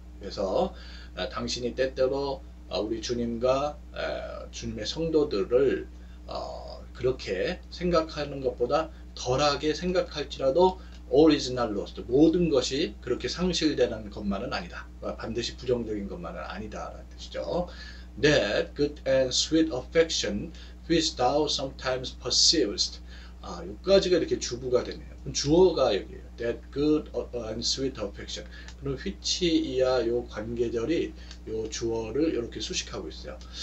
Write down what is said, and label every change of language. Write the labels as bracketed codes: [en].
[ko] 그래서 당신이 때때로 우리 주님과 주님의 성도들을 그렇게 생각하는 것보다 덜하게 생각할지라도 [en] all is not lost. [ko] 모든 것이 그렇게 상실되는 것만은 아니다. 반드시 부정적인 것만은 아니다라는 뜻이죠. [en] That good and sweet affection which thou sometimes perceivest. [ko] 여기까지가 이렇게 주부가 되네요. 주어가 여기에요. [en] That good and sweet affection. [ko] 그럼 which 이하 요 관계절이 요 주어를 이렇게 수식하고 있어요.